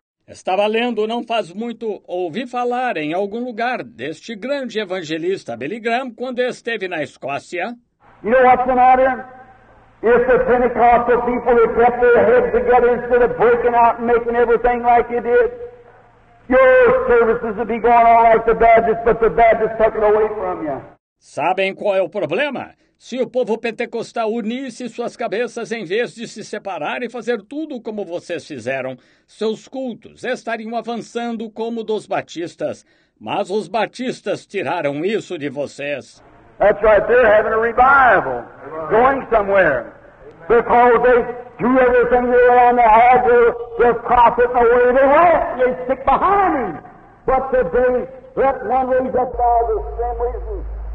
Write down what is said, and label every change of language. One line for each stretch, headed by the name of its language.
Portuguese: Estava lendo não faz muito, ouvi falar em algum lugar deste grande evangelista Billy Graham quando esteve na Escócia.
English: You know what's the matter? If the Pentecostal people had kept their heads together instead of breaking out and making everything like you did, your services would be going on like the Baptists, but the Baptists took it away from you.
Portuguese: Sabem qual é o problema? Se o povo pentecostal unisse suas cabeças em vez de se separar e fazer tudo como vocês fizeram, seus cultos estariam avançando como dos batistas. Mas os batistas tiraram isso de vocês.
English: That's right, they're having a revival, going somewhere. Because they do everything they want to have, their prophet the way they want, they stick behind him. But today, let one raise up all the same reason.